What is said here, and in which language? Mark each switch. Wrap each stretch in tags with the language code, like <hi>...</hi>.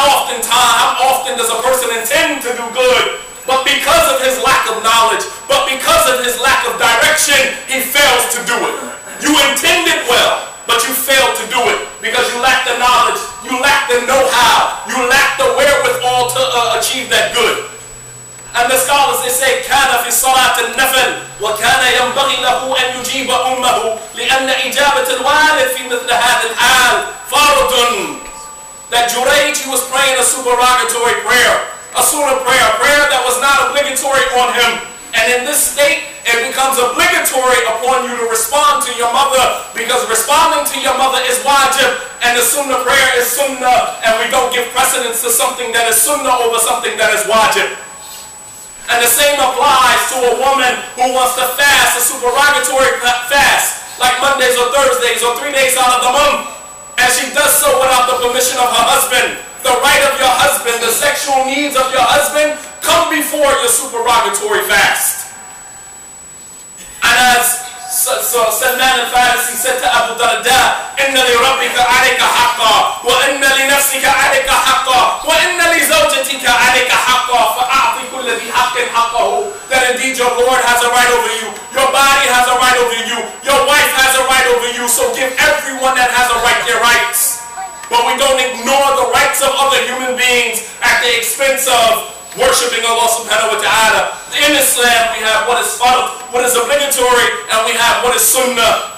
<en>how often does a person intend to do good, but because of his lack of knowledge, but because of his lack of direction, he fails to do it. You intended well, but you failed to do it because you lack the knowledge, you lack the know-how, you lack the wherewithal to achieve that good. And the scholars, they say,</en> <ar>كَانَ فِي صَلَاةِ النَّفَلِ وَكَانَ يَنْبَغِي لَهُ أَنْ يُجِيبَ أُمَّهُ لِأَنَّ إِجَابَةِ الْوَالِدِ فِي مِثْلَ هَذِ الْحَالِ فَارُدٌ.</ar> <en>That Juraij, he was praying a supererogatory prayer, a sunnah prayer, a prayer that was not obligatory on him. And in this state, it becomes obligatory upon you to respond to your mother, because responding to your mother is wajib, and the sunnah prayer is sunnah, and we don't give precedence to something that is sunnah over something that is wajib. And the same applies to a woman who wants to fast, a supererogatory fast, like Mondays or Thursdays or 3 days out of the month, and she does so without the permission of her husband. The right of your husband, the sexual needs of your husband, come before your supererogatory fast. And as Salman al-Farisi said to Abu Darda,</en> <ar>إِنَّ لِرَبِّكَ عَلَيْكَ حَقًّا وَإِنَّ لِنَفْسِكَ عَلَيْكَ حَقًّا وَإِنَّ لِزَوْجَتِكَ عَلَيْكَ حَقًّا فَأَعْطِ كُلَّ ذِي حَقٍ حَقَّهُ.</ar> <en>That indeed your Lord has a right over you, your body has a right over you, your wife has a right over you, so give everyone that has a right their rights. But we don't ignore the rights of other human beings at the expense of worshipping Allah subhanahu wa ta'ala. In Islam, we have what is fard, what is obligatory, and we have what is sunnah.</en>